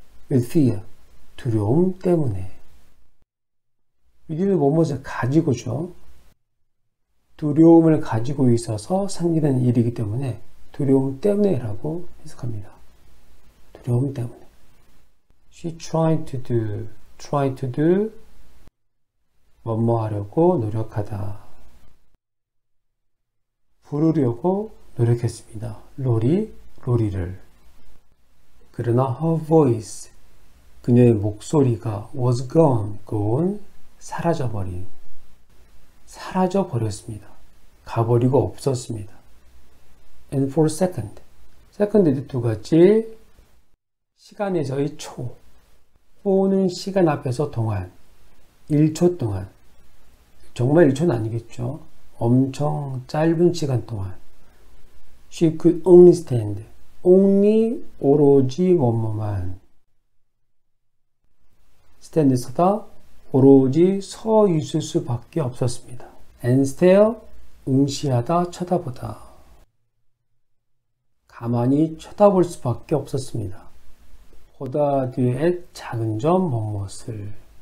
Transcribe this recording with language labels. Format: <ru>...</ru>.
<en>with fear,</en> <ko>두려움 때문에. 이들은 무엇을 가지고죠? 두려움을 가지고 있어서 생기는 일이기 때문에 두려움 때문에라고 해석합니다. 두려움 때문에.</ko> <en>She tried to do</en> <ko>뭐뭐 하려고 노력하다. 부르려고 노력했습니다. 로리를. 그러나</ko> <en>her voice,</en> <ko>그녀의 목소리가</ko> <en>was gone, gone.</en> <ko>사라져버린, 사라져버렸습니다. 가버리고 없었습니다.</ko> <en>And for a second, second</en> <ko>도 두 가지, 시간에서의 초, for는 시간 앞에서 동안, 1초 동안, 정말 1초는 아니겠죠. 엄청 짧은 시간 동안.</ko> <en>She could only stand, only</en> <ko>오로지 원모만.</ko> <en>stand</en> <ko>서다, 오로지 서 있을 수밖에 없었습니다.</ko> <en>And stare,</en> <ko>응시하다, 쳐다보다. 가만히 쳐다볼 수밖에 없었습니다. 보다 뒤에 작은 점, 먼 것을.</ko>